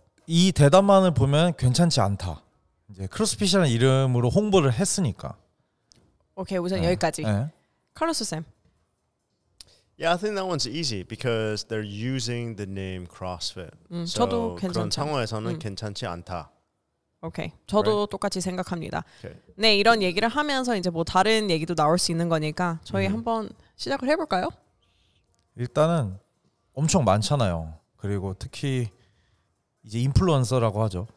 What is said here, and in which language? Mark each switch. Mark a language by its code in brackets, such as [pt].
[ko] 이 대답만을 보면 괜찮지 않다. 이제 크로스핏이라는 이름으로 홍보를 했으니까. 오케이, 우선 여기까지. 카르스 쌤. [en] Yeah, I think that one's easy because they're using the name CrossFit. [ko] 저도 괜찮죠. 그런 상황에서는 괜찮지 않다. 오케이, 저도 right? 똑같이 생각합니다. Okay. 네, 이런 얘기를 하면서 이제 뭐 다른 얘기도 나올 수 있는 거니까 저희 한번 시작을 해볼까요? 일단은 엄청 많잖아요. 그리고 특히 이제 인플루언서라고 하죠.